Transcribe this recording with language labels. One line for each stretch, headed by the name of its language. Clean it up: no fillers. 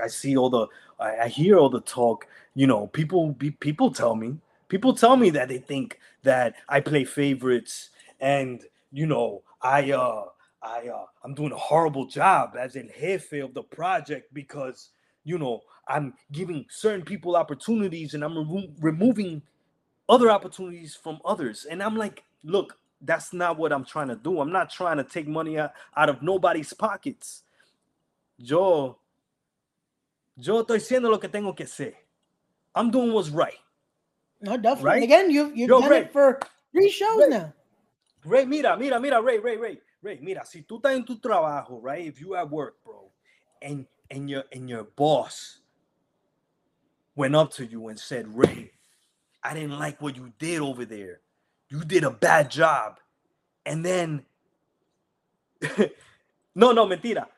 English: I see all the, I hear all the talk, you know, people tell me that they think that I play favorites and, you know, I'm doing a horrible job as el jefe of the project because, you know, I'm giving certain people opportunities and I'm removing other opportunities from others. And I'm like, look, that's not what I'm trying to do. I'm not trying to take money out of nobody's pockets.
Spanish: Yo estoy siendo lo que tengo que ser.
English: I'm doing what's right. No, definitely. Right? Again, you've done Ray, it for three shows Ray, now.
Spanish: Ray, mira, Ray, mira, si tú estás en tu trabajo, right?
English: If you at work, bro, and your boss went up to you and said, Ray, I didn't like what you did over there. You did a bad job. And then,
Spanish: no, mentira.